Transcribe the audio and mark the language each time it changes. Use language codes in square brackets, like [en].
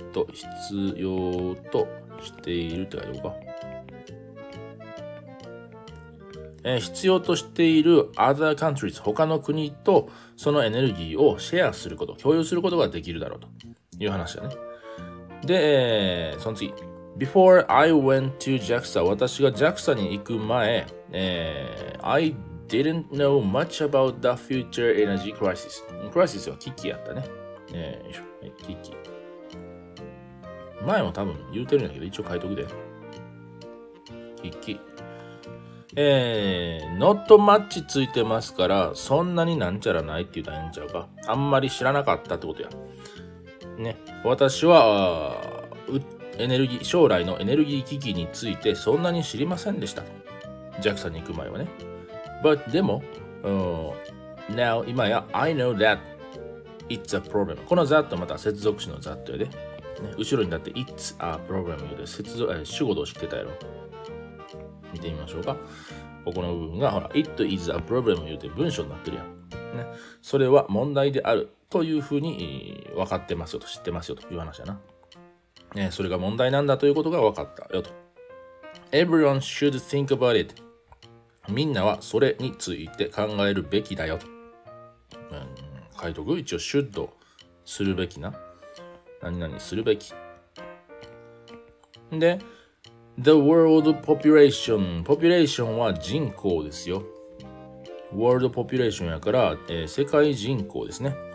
[ja] 必要としているってことか、必要としている [en] other countries、 [ja] 他の国とそのエネルギーをシェアすること、共有することができるだろうという話だね。で、その次。 [en] Before I went to JAXA、 [ja] 私が JAXA に行く前、 [en] I didn't know much about the future energy crisis。 [ja] クライシスは危機やったね。危機。前も多分言うてるんだけど、一応書いとくで。危機。 [en] Not much [ja] ついてますから、そんなになんちゃらないって言ったらいいんちゃうか。あんまり知らなかったってことや。ね、私はエネルギー、将来のエネルギー危機についてそんなに知りませんでした。JAXA に行く前はね。 [en] But でも、now 今や I know that it's a problem。 [ja] この that また接続詞の that やで、ね。後ろにだって [en] it's a problem [ja] で接続、主語同士してたやろ。見てみましょうか。ここの部分がほら [en] it is a problem [ja] 言うて文章になってるやん。ね、それは問題である。というふうに分かってますよと、知ってますよという話だな、ね。それが問題なんだということが分かったよと。 [en] Everyone should think about it。 [ja] みんなはそれについて考えるべきだよと。書いとく、一応 should するべきな。何々するべき。で、 [en] The world population。 [ja] Population は人口ですよ。 [en] World population [ja] やから、世界人口ですね。